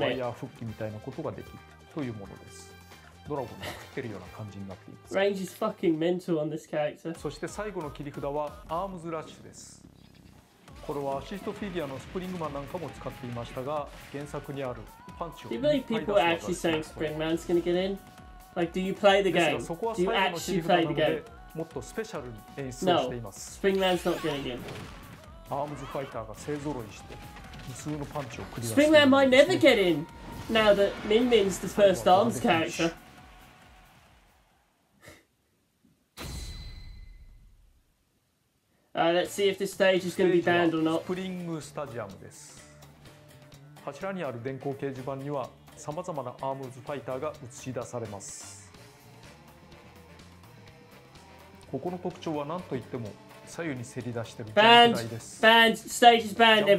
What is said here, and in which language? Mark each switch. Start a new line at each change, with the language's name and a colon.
Japanese: ワイヤー復帰みたいなことができるというものです。ドラゴンが食ってるような感じになっています。
English: Range is fucking mental on this character.
Japanese: そして最後の切り札はアームズラッシュです。これはアシストフィギュアのスプリングマンなんかも使っていましたが、原作にあるパンチを。
English: Do you believe people are actually saying Springman's gonna get in? Like, do you play the game?
Japanese: そこは最後の切り札なので、もっとスペシャルに演出をしています。
English: No, Springman's not getting in.
Japanese: アームズファイターが勢ぞろいして普通のパンチを繰り出す。
English: Springman might never get in now that Min Min's the first arms character. Let's see if the stage is going to be banned or not.
Japanese: スプリングスタジアムです。柱にある電光掲示板には様々なアームズファイターが映し出されます。ここの特徴は何といっても左右にせり出しているジャンプ台です。
English: Banned! Stage is banned, everyone!